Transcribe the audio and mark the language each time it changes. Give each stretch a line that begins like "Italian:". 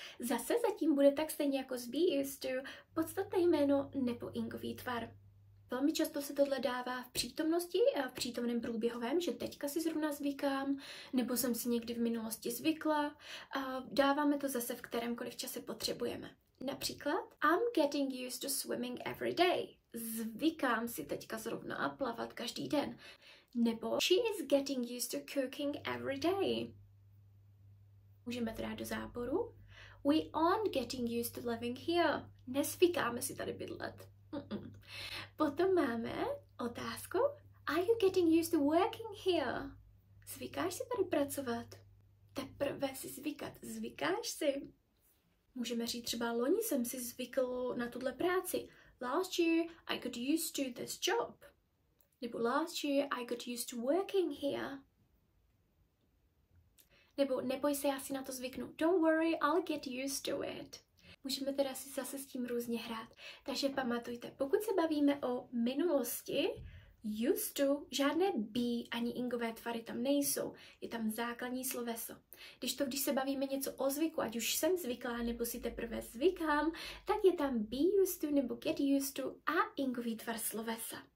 Czech: Zase zatím bude tak stejně jako s be used to, podstatné jméno nebo ingový tvar. Velmi často se tohle dává v přítomnosti a v přítomném průběhovém, že teďka si zrovna zvykám, nebo jsem si někdy v minulosti zvykla. A dáváme to zase v kterémkoliv čase potřebujeme. Například,
English: I'm getting used to swimming every day.
Czech: Zvykám si teďka zrovna plavat každý den. Nebo
English: she is getting used to cooking every day.
Czech: Můžeme teda do záporu.
English: We aren't getting used to living here.
Czech: Nesvykáme si tady bydlet. Potom máme otázku.
English: Are you getting used to working here?
Czech: Zvykáš si tady pracovat? Teprve si zvykat. Zvykáš si? Můžeme říct třeba loni jsem si zvykl na tuhle práci.
English: Last year I got used to this job.
Czech: Nebo
English: last year I got used to working here.
Czech: Nebo neboj se, já si na to zvyknu.
English: Don't worry, I'll get used to it.
Czech: Můžeme teda si zase s tím různě hrát. Takže pamatujte, pokud se bavíme o minulosti, used to, žádné be ani ingové tvary tam nejsou. Je tam základní sloveso. Když se bavíme něco o zvyku, ať už jsem zvyklá, nebo si teprve zvykám, tak je tam be used to, nebo get used to a ingový tvar slovesa.